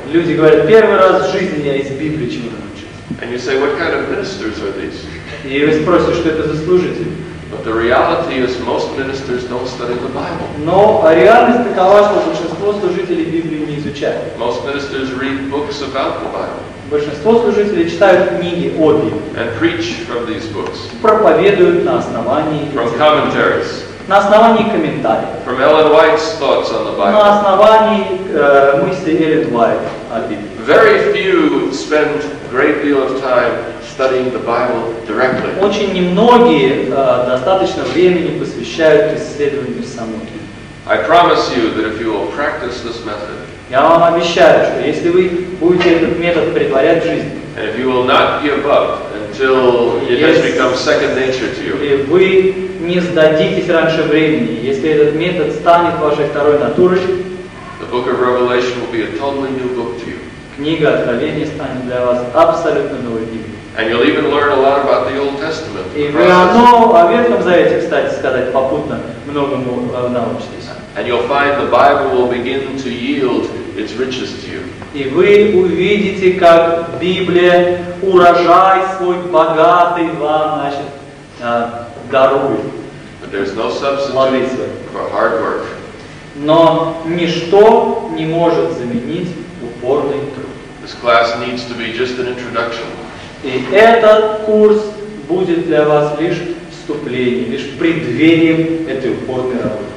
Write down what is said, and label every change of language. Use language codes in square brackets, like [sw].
[ru] Люди говорят, первый раз в жизни я из Библии чему-то научился. [en] And you say, what kind of ministers are these? [ru] И вы спросите, что это за служители? [en] But the reality is, most ministers don't study the Bible. [ru] Но реальность такова, что большинство служителей Библии не изучают. [en] Most ministers read books about the Bible. [ru] Большинство служителей читают книги о Библии. [en] And preach from these books. [ru] Проповедуют на основании. [en] From commentaries. [ru] На основании комментариев. [en] From Ellen White's thoughts on the Bible. [ru] На основании мысли Эллен Уайт о Библии. [en] Very few spend great deal of time studying the Bible directly. [ru] Очень немногие достаточно времени посвящают исследованию самой Библии. [en] I promise you that if you will practice this method. [ru] Я вам обещаю, что если вы будете этот метод претворять в жизнь. [en] And if you will not give up until it has become second nature to you. [ru] И вы не сдадитесь раньше времени, если этот метод станет вашей второй натурой. [en] The Book of Revelation will be a totally new book to you. [ru] Книга Откровения станет для вас абсолютно новой книгой. [en] And you'll even learn a lot about the Old Testament. [ru] И вы о Ветхом Завете, кстати сказать, попутно многому научитесь. [en] And you'll find the Bible will begin to yield its riches to you. [ru] И вы увидите, как Библия урожай свой богатый вам, значит, дарует. [en] But there's no substitute for hard work. [ru] Но ничто не может заменить упорный труд. [en] This class needs to be just an introduction. [ru] И этот курс будет для вас лишь вступлением, лишь преддверием этой упорной работы.